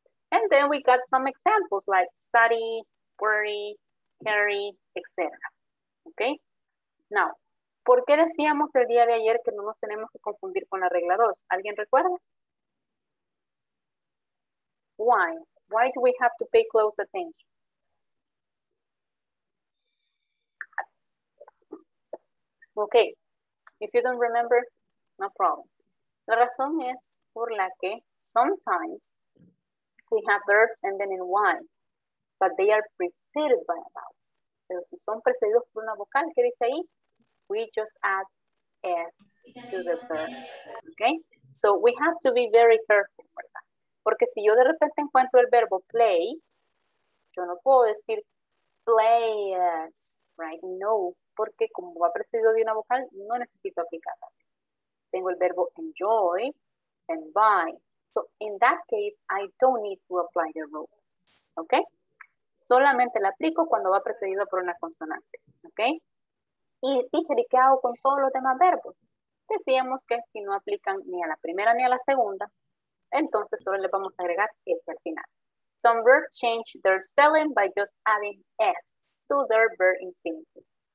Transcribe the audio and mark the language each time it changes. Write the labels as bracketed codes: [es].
[en] And then we got some examples like study, worry, carry, etc. Okay? [es] Now, ¿por qué decíamos el día de ayer que no nos tenemos que confundir con la regla 2? ¿Alguien recuerda? [en] Why? Why do we have to pay close attention? Okay. If you don't remember, no problem. [es] La razón es por la que [en] sometimes we have verbs ending in Y, but they are preceded by a vowel. [es] Pero si son precedidos por una vocal, ¿qué dice ahí? [en] We just add S to the verb, okay? So we have to be very careful, ¿verdad? [es] Porque si yo de repente encuentro el verbo play, yo no puedo decir players, right? No, porque como va precedido de una vocal, no necesito aplicarla. Tengo el verbo enjoy and buy. [en] So, in that case, I don't need to apply the rules, ¿ok? [es] Solamente la aplico cuando va precedido por una consonante, ¿ok? Y, teacher, ¿y qué hago con todos los demás verbos? Decíamos que si no aplican ni a la primera ni a la segunda, entonces solo le vamos a agregar S al final. [en] Some verbs change their spelling by just adding S to their verb infinitive.